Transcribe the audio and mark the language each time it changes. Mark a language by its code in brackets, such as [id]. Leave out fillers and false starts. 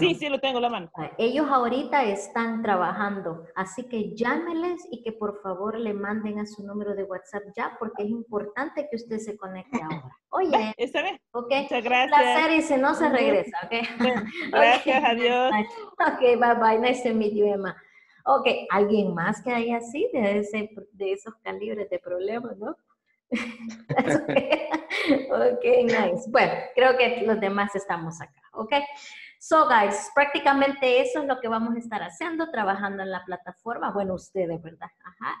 [es] Sí, sí, lo tengo a la mano. Ellos ahorita están trabajando, así que llámeles y que por favor le manden a su número de WhatsApp ya, porque es importante que usted se conecte ahora. Oye. ¿Está bien? [en] Okay. [es] Muchas gracias. Un placer y si no se regresa, ¿ok? Gracias, okay. Adiós. [en] Ok, bye bye, nice to meet you, Emma. [es] Ok, ¿alguien más que hay así de esos calibres de problemas, no? Okay. Ok, nice. Bueno, creo que los demás estamos acá, ¿ok? [en] So, guys, [es] prácticamente eso es lo que vamos a estar haciendo, trabajando en la plataforma. Bueno, ustedes, ¿verdad? Ajá.